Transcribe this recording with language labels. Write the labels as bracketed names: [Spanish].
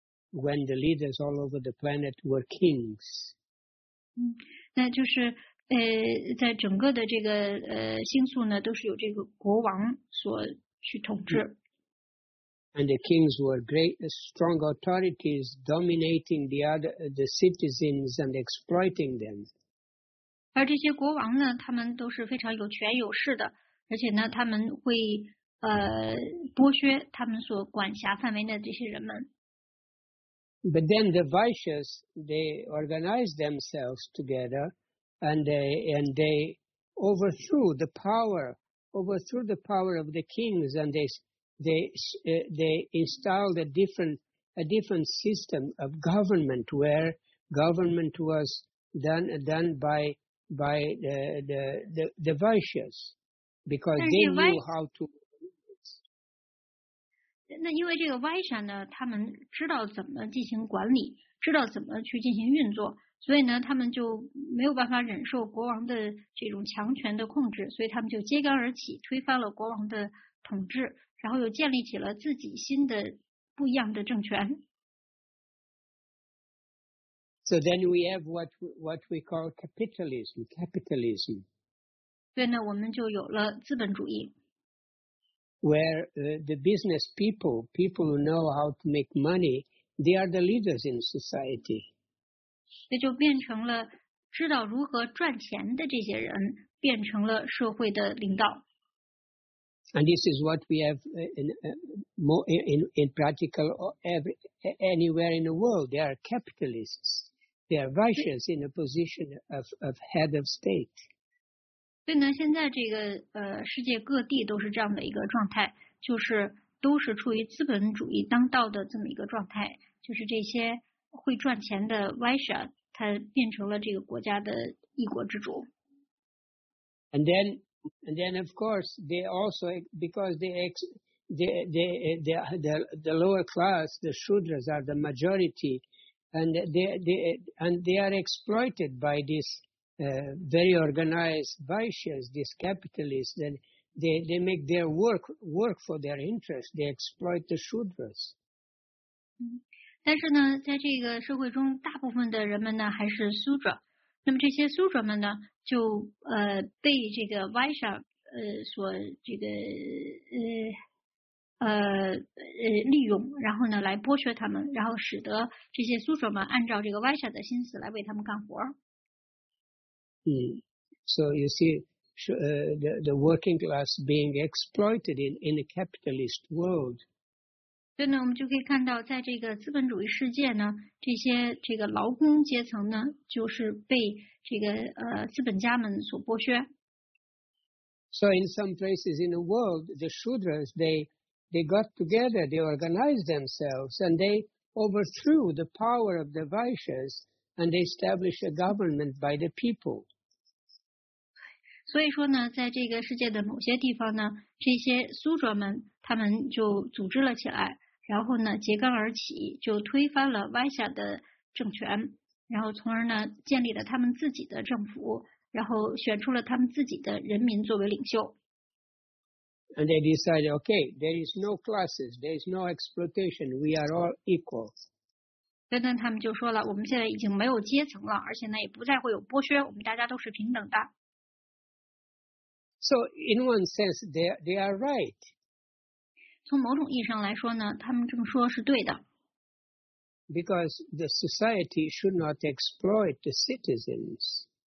[English] When the leaders all over the planet were kings. [Chinese] 那就是在整个的这个星宿呢，都是由这个国王所去统治。 [English] And the kings were great, strong authorities dominating the citizens and exploiting them. [Chinese] 而这些国王呢，他们都是非常有权有势的，而且呢，他们会剥削他们所管辖范围内的这些人们。 [English] But then the Vaishyas, they organized themselves together and they overthrew the power of the kings and they installed a different system of government where government was done by the Vaishyas, because they knew how to. [Chinese] 那因为这个 Vaishya 呢，他们知道怎么进行管理，知道怎么去进行运作，所以呢，他们就没有办法忍受国王的这种强权的控制，所以他们就揭竿而起，推翻了国王的统治，然后又建立起了自己新的不一样的政权。 [English] So then we have what we call capitalism. [Chinese] 对呢，我们就有了资本主义。 [English] where the business people, people who know how to make money, they are the leaders in society. [Chinese] 也就变成了知道如何赚钱的这些人变成了社会的领导。 [English] And this is what we have in practical anywhere in the world. They are capitalists. They are vicious in a position of head of state. [Chinese] 所以呢，现在这个世界各地都是这样的一个状态，就是都是处于资本主义当道的这么一个状态，就是这些会赚钱的 vicious， 它变成了这个国家的一国之主。 [English] And then, of course, they also, because the lower class, the Shudras, are the majority, and they are exploited by this very organized Vaishyas, these capitalists, and they make their work for their interest. They exploit the Shudras. [Chinese] 但是呢，在这个社会中，大部分的人们呢，还是 Sudra。那么这些 Sudra 们呢，就被这个 Vaishya 所这个利用，然后呢来剥削他们，然后使得这些 Sudra 们按照这个 Vaishya 的心思来为他们干活。 [English] So you see the working class being exploited in a capitalist world. [Chinese] 所以呢，我们就可以看到，在这个资本主义世界呢，这些这个劳工阶层呢，就是被这个资本家们所剥削。 [English] So in some places in the world, the Shudras they got together, they organized themselves, and they overthrew the power of the Vaishyas, and they established a government by the people. [Chinese] 所以说呢，在这个世界的某些地方呢，这些苏哲们他们就组织了起来，然后呢揭竿而起，就推翻了歪下的政权，然后从而呢建立了他们自己的政府，然后选出了他们自己的人民作为领袖。 [English] And they decided, okay, there is no classes, there is no exploitation, we are all equal. [Chinese] 所以呢，他们就说了，我们现在已经没有阶层了，而且呢也不再会有剥削，我们大家都是平等的。 [English] So in one sense, they are right. [Chinese] 从某种意义上来说呢，他们这么说是对的。 [English] Because the society should not exploit the citizens.